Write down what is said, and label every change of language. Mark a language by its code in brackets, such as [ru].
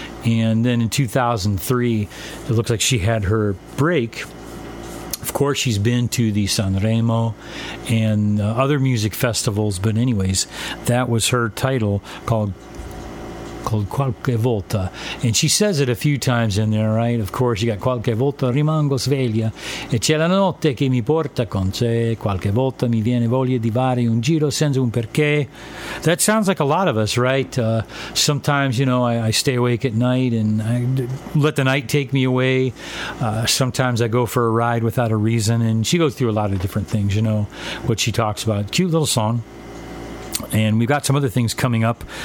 [en] And then in 2003, it looks like she had her break. Of course, she's been to the Sanremo and other music festivals. But anyways, that was her title called called Qualche Volta. And she says it a few times in there, right? Of course, you got [it] Qualche Volta rimango sveglia. E c'è la notte che mi porta con sé. Qualche volta mi viene voglia di fare un giro senza un perché. [en] That sounds like a lot of us, right? Sometimes, you know, I stay awake at night and I let the night take me away. Sometimes I go for a ride without a reason. And she goes through a lot of different things, you know, what she talks about. Cute little song. And we've got some other things coming up.